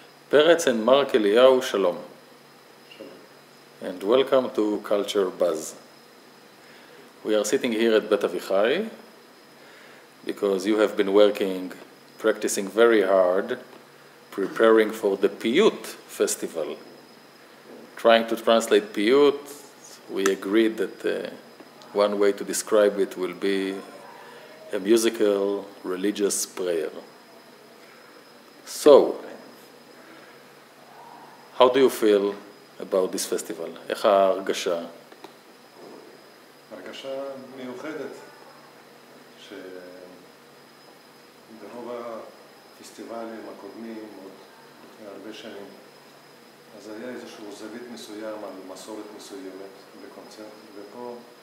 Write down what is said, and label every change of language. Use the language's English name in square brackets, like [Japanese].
[English] פרץ and Mark Eliyahu, שלום. And welcome to Culture Buzz. We are sitting here at Bet Avichai because you have been working, practicing very hard, preparing for the Piyut Festival. Trying to translate Piyut, we agreed that one way to describe it will be a musical religious prayer. So, how do you feel about this festival? [Hebrew] איך ההרגשה? הרגשה מיוחדת שברוב הפסטיבלים הקודמים עוד לפני הרבה שנים אז היה איזשהו זווית מסוים על מסורת מסוימת בקונצרט ופה